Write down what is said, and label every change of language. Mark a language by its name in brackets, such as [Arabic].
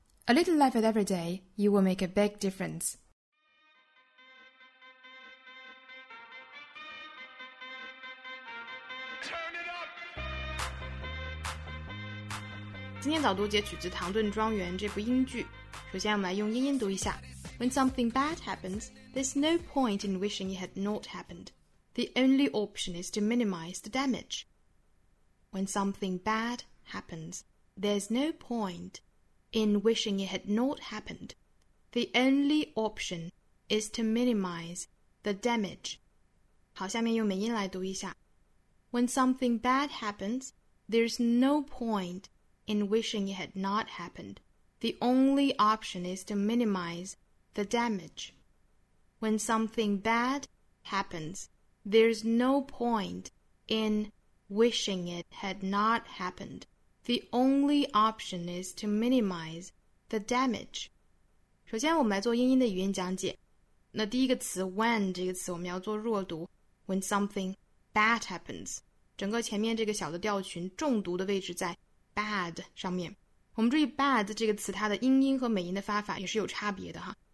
[English] A little effort every day, you will make a big difference. Turn it up! [Chinese] 今天早读截取自唐顿庄园这部英剧。首先我们来用英音读一下。 [English] When something bad happens, there's no point in wishing it had not happened. The only option is to minimize the damage. When something bad happens, there's no point in wishing it had not happened. The only option is to minimize the damage. [Chinese] 好，下面用美音来读一下。 [English] When something bad happens, there's no point in wishing it had not happened. The only option is to minimize the damage. When something bad happens, there's no point in... Wishing it had not happened. The only option is to minimize the damage. [Chinese] 首先我们来做英音的语音讲解。那第一个词 when 这个词我们要做弱读 [English] when something bad happens. [Chinese] 整个前面这个小的调群重读的位置在 bad 上面。我们注意 bad 这个词它的英音和美音的发法也是有差别的哈。